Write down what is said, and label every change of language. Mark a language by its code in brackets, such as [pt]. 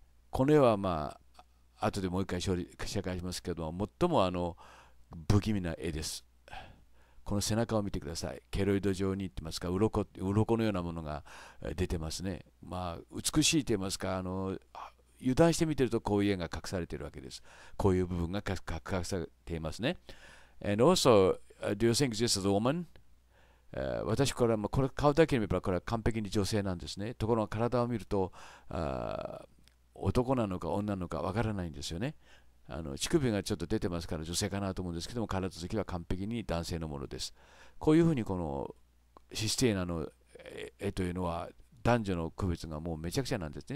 [ja] この絵はまあ後でもう一回紹介しますけども、最も不気味な絵です。この背中を見てください。ケロイド状にいってますか、鱗のようなものが出てますね。まあ美しいと言いますか、油断して見てるとこういう絵が隠されてるわけです。こういう部分が隠されていますね。 [en] And also do you think this is a woman? [ja] 私からこれ顔だけ見ればこれは完璧に女性なんですね。ところが体を見ると男なのか女なのかわからないんですよね。乳首がちょっと出てますから女性かなと思うんですけども、体つきは完璧に男性のものです。こういうふうにこのシスティーナの絵というのは男女の区別がもうめちゃくちゃなんですね。